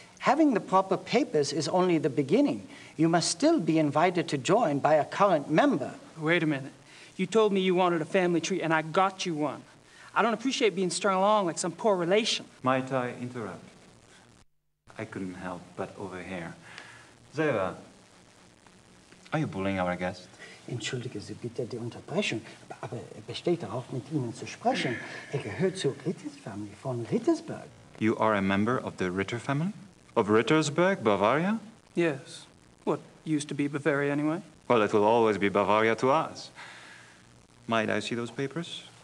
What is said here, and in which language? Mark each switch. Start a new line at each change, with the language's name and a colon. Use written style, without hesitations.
English: Having the proper papers is only the beginning. You must still be invited to join by a current member. Wait a minute. You told me you wanted a family tree, and I got you one. I don't appreciate being strung along like some poor relation. Might I interrupt? I couldn't help but overhear. Xavier, are you bullying our guest?
German: Entschuldige Sie bitte die Unterbrechung, aber er besteht darauf, mit Ihnen zu sprechen. Er gehört zur Rittersfamilie von Rittersberg.
English: You are a member of the Ritter family? Of Rittersberg, Bavaria? Yes. What used to be Bavaria anyway? Well, it will always be Bavaria to us. Might I see those papers?